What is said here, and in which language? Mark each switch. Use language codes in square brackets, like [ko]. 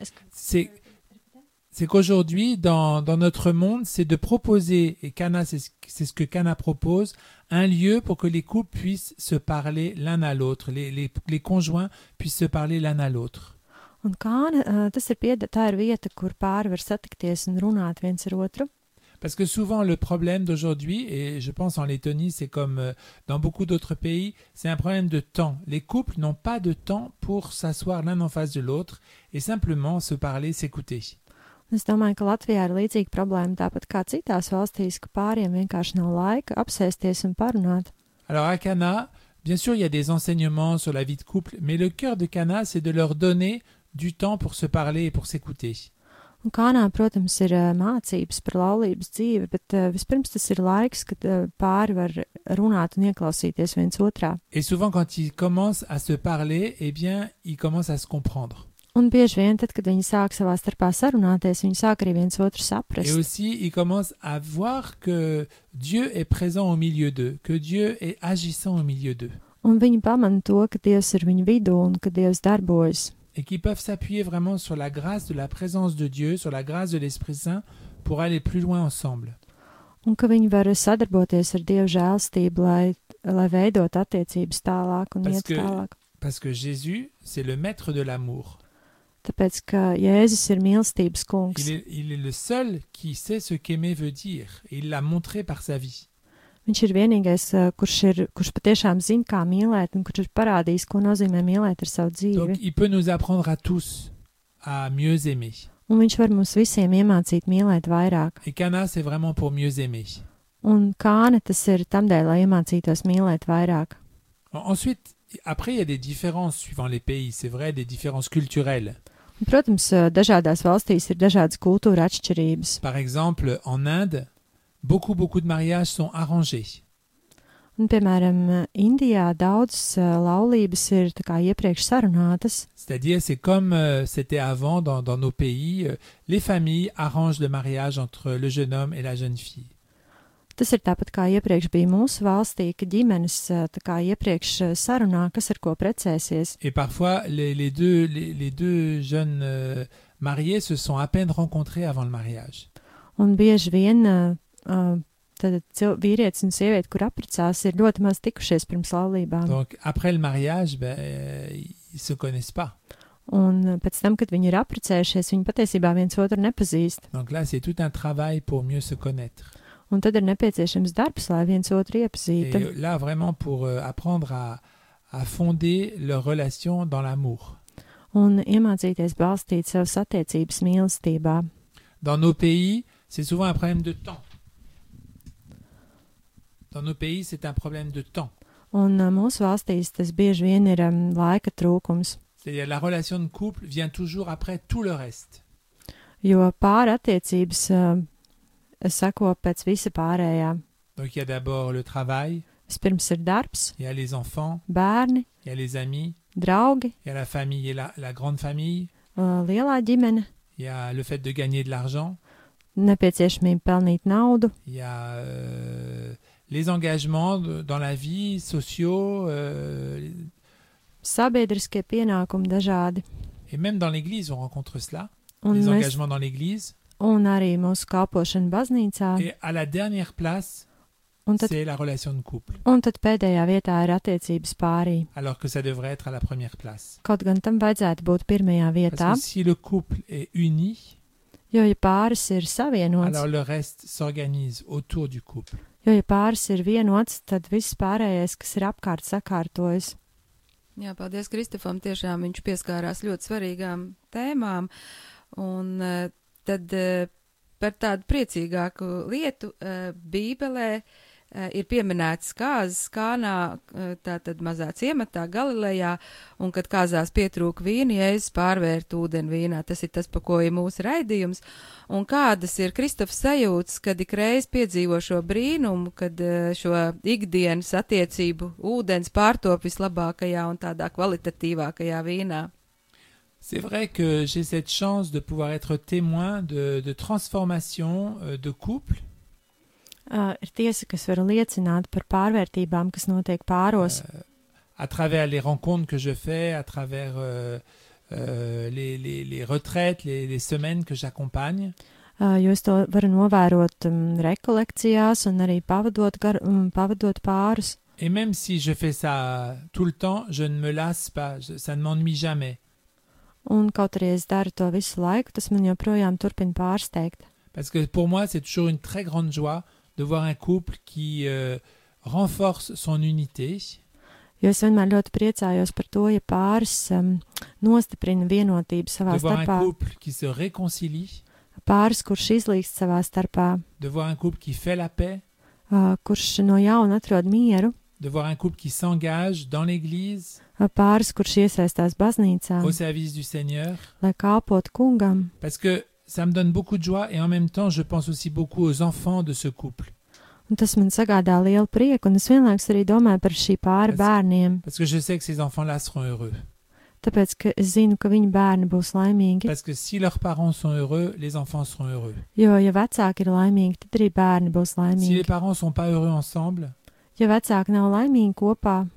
[fr] C'est qu'aujourd'hui, dans notre monde, c'est de proposer, et Kana, c'est ce que Kana propose, un lieu pour que les couples puissent se parler l'un à l'autre, les conjoints puissent se parler l'un à l'autre. [lv] Un Kana, tas ir pieda, tā ir vieta, kur pāri var satikties un runāt viens ar otru. [fr] Parce que souvent le problème d'aujourd'hui, et je pense en Lettonie, c'est comme dans beaucoup d'autres pays, c'est un problème de temps. Les couples n'ont pas de temps pour s'asseoir l'un en face de l'autre et simplement se parler, s'écouter. [lv] Es domāju, ka Latvijā ir līdzīga problēma, tāpat kā citās valstīs, ka pāriem vienkārši nav laika apsēsties un parunāt. [fr] Alors à Cana, bien sûr, il y a des enseignements sur la vie de couple, mais le cœur de Cana, c'est de leur donner du temps pour se parler et pour s'écouter. [lv] Un Kānā, protams, ir mācības par laulības dzīvi, bet vispirms tas ir laiks, kad pāri var runāt un ieklausīties viens otrā. [fr] Et souvent, quand ils commencent à se parler, eh bien, ils commencent à se comprendre. [lv] Un bieži vien, tad, kad viņi sāk savā starpā sarunāties, viņi sāk arī viens otru saprast. [fr] Et aussi, ils commencent à voir que Dieu est présent au milieu d'eux, que Dieu est agissant au milieu d'eux. [lv] Un viņi pamana to, ka Dievs ir viņu vidū un ka Dievs darbojas. [fr] Et qui peuvent s'appuyer vraiment sur la grâce de la présence de Dieu, sur la grâce de l'Esprit Saint, pour aller plus loin ensemble. [lv] Un ka viņi var sadarboties ar Dievu žēlstību, lai veidot attiecības tālāk un iet tālāk. [fr] Parce que Jésus, c'est le maître de l'amour. [lv] Tāpēc, ka Jēzus ir mīlestības kungs. [fr] Il est le seul qui sait ce qu'aimer veut dire. Il l'a montré par sa vie. [lv] Viņš ir vienīgais, kurš patiešām zina, kā mīlēt, un kurš ir parādījis, ko nozīmē mīlēt ar savu dzīvi. [fr] Donc, il peut nous apprendre à tous à mieux aimer. [lv] Un viņš var mums visiem iemācīt mīlēt vairāk. [fr] Et Cana, c'est vraiment pour mieux aimer. [lv] Un Kāna, tas ir tamdēļ, lai iemācītos mīlēt vairāk. [fr] Ensuite, après, il y a des différences suivant les pays. C'est vrai, des différences culturelles. [lv] Protams, dažādās valstīs ir dažādas kultūra atšķirības. [fr] Par exemple, en Inde, beaucoup de mariages sont arrangés. [lv] Un, piemēram, Indijā daudz laulības ir tā kā iepriekš sarunātas. [fr] C'est-à-dire, c'est comme c'était avant dans nos pays, les familles arrangent le mariage entre le jeune homme et la jeune fille. [lv] Tas ir tāpat kā iepriekš bija mūsu valstī, ka ģimenes tā kā iepriekš sarunā, kas ar ko precēsies. [fr] Et parfois les deux jeunes mariés se sont à peine rencontrés avant le mariage. [lv] Un bieži vien vīrietis un sieviete, kur apprecās, ir ļoti maz tikušies pirms laulībām. [fr] Donc après le mariage, ben ils se connaissent pas. [lv] Un pēc tam, kad viņi ir apprecējušies, viņi patiesībā viens otru nepazīst. [fr] Donc là c'est tout un travail pour mieux se connaître. [lv] Un tad ir nepieciešams darbs, lai viens otru iepazītu. [fr] Et là, vraiment, pour apprendre à fonder leur relation dans l'amour. [lv] Un iemācīties balstīt savas attiecības mīlestībā. [fr] Dans nos pays, c'est souvent un problème de temps. Dans nos pays, c'est un problème de temps. [lv] Un mūsu valstīs tas bieži vien ir laika trūkums. [fr] C'est-à-dire, la relation de couple vient toujours après tout le reste. [lv] Jo pāri attiecības... Sako pēc visa pārējā. [fr] Donc il y a d'abord le travail. [lv] Vispirms ir darbs. [fr] Il y a les enfants. [lv] Bērni. [fr] Il y a les amis. [lv] Draugi. [fr] Il y a la famille et la grande famille. [lv] Lielā ģimene. [fr] Il y a le fait de gagner de l'argent. [lv] Nepieciešamība pelnīt naudu. [fr] Il y a les engagements dans la vie, sociaux. [lv] Sabiedriskie pienākumi dažādi. [fr] Et même dans l'église, on rencontre cela. Les engagements dans l'église. [lv] Un arī mūsu kalpošana baznīcā. [fr] Et à la dernière place, c'est la relation de couple. [lv] Un tad pēdējā vietā ir attiecības pārī. [fr] Alors que ça devrait être à la première place. [lv] Kaut gan tam vajadzētu būt pirmajā vietā. [fr] Parce que si le couple est uni, [lv] jo, ja pāris ir savienots, [fr] alors le reste s'organise autour du couple. [lv] Jo, ja pāris ir vienots, tad viss pārējais, kas ir apkārt, sakārtojas. Jā, paldies Kristofam, tiešām viņš pieskārās ļoti svarīgām tēmām. Un tad par tādu priecīgāku lietu Bībelē ir pieminēts kāzas Kānā, tātad mazā ciematā Galilejā, un kad kāzās pietrūk vīni, Jēzus pārvērt ūdeni vīnā, tas ir tas, pa ko ir mūsu raidījums, un kādas ir Kristofa sajūtas, kad ikreiz piedzīvo šo brīnumu, kad šo ikdienas attiecību ūdens pārtop vislabākajā un tādā kvalitatīvākajā vīnā. [fr] C'est vrai que j'ai cette chance de pouvoir être témoin de transformation de couple. [lv] Ir tiesa, kas var liecināt par pārvērtībām, kas notiek pāros. [fr] À travers les rencontres que je fais, à travers les retraites, les semaines que j'accompagne. [lv] Jo es to varu novērot rekolekcijās un arī pavadot, pavadot pārus. [fr] Et même si je fais ça tout le temps, je ne me lasse pas, ça ne m'ennuie jamais. [lv] Un kaut arī es daru to visu laiku, tas man joprojām turpina pārsteigt. [fr] Parce que pour moi, c'est toujours une très grande joie de voir un couple qui renforce son unité. [lv] Jo es vienmēr ļoti priecājos par to, ja pāris nostiprina vienotību savā starpā. [fr] De voir un couple qui se réconcilie. [lv] Pāris, kurš izlīkst savā starpā. [fr] De voir un couple qui fait la paix. [lv] Kurš no jauna atrod mieru. [fr] De voir un couple qui s'engage dans l'église. [lv] Pāris, kurš iesaistās baznīcā. [fr] Au service du Seigneur. [lv] Lai kalpot kungam. [fr] Parce que ça me donne beaucoup de joie et en même temps je pense aussi beaucoup aux enfants de ce couple. [lv] Un tas man sagādā lielu prieku un es vienlaiks arī domāju par šī pāri bērniem. [fr] Parce que je sais que ces enfants-là seront heureux. [lv] Tāpēc, ka es zinu, ka viņu bērni būs laimīgi. [fr] Parce que si leurs parents sont heureux, les enfants seront heureux. [lv] Jo, ja vecāki ir laimīgi, tad arī bērni būs laimīgi. [fr] Si les parents sont pas heureux ensemble, [lv] ja vecāki nav laimīgi kopā,